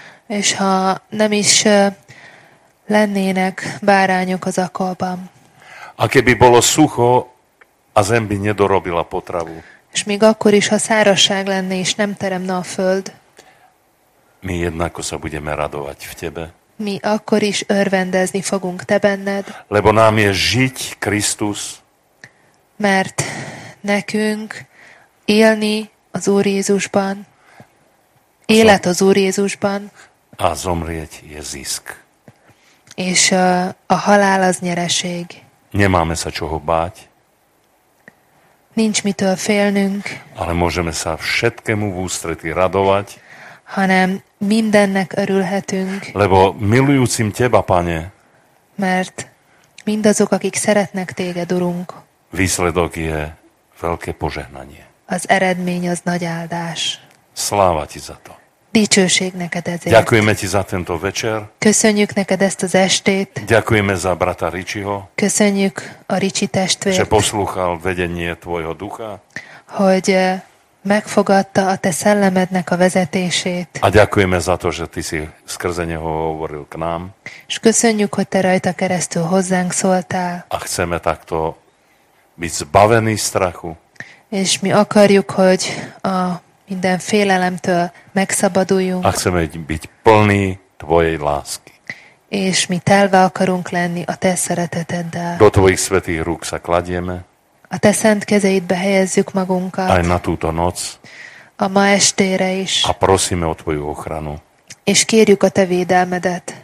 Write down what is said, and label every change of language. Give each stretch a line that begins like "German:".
Hungarian: És ha nem is lennének bárányok az akolban.
Slovak: A keby bolo sucho, a zem by nedorobila potravu.
Hungarian: És még akkor is, ha szárazság lenne, és nem teremne a föld.
Slovak: Mi jednako sa budeme radovať v tebe.
Hungarian: Mi akkor is örvendezni fogunk te benned.
Slovak: Lebo nám je žiť Krisztus.
Hungarian: Mert nekünk élni az Úr Jézusban. Élet az Úr Jézusban.
Slovak: A zomrieť je zisk.
Hungarian: És a halál az nyereség.
Slovak: Nemáme sa čoho báť.
Hungarian: Nincs mitől félnünk.
Slovak: Ale môžeme sa všetkému v ústretí radovať.
Hungarian: Hanem mindennek örülhetünk.
Slovak: Lebo milujúcim teba, Pane.
Hungarian: Mert mindazok, akik szeretnek téged, Urunk.
Slovak: Výsledok je veľké požehnanie.
Hungarian: Az eredmény az nagy áldás.
Slovak: Sláva ti za to.
Hungarian: Dicsőség neked ezért.
Slovak: Ďakujeme ti za tento večer.
Hungarian: Köszönjük neked ezt az estét.
Slovak: Ďakujeme za brata Ričiho.
Hungarian: Köszönjük a Ričí testvért.
Slovak: Že poslúchal vedenie tvojho ducha.
Hungarian: Hogy Megfogadta a te szellemednek a vezetését.
Slovak: A ďakujeme za to, že ty si skrze neho hovoril k nám.
Hungarian: És köszönjük, hogy te rajta keresztül hozzánk szóltál.
Slovak: A chceme takto byť zbavený strachu.
Hungarian: És mi akarjuk, hogy a minden félelemtől megszabaduljunk.
Slovak: A chceme byť plný tvojej lásky.
Hungarian: És mi telve akarunk lenni a te szereteteddel.
Slovak: Do tvojich svätých rúk sa kladieme.
Hungarian: A te szent kezeidbe helyezzük magunkat.
Slovak: Aj na túto noc.
Hungarian: A ma estére is.
Slovak: A prosíme o tvoju ochranu.
Hungarian: És kérjük a te védelmedet.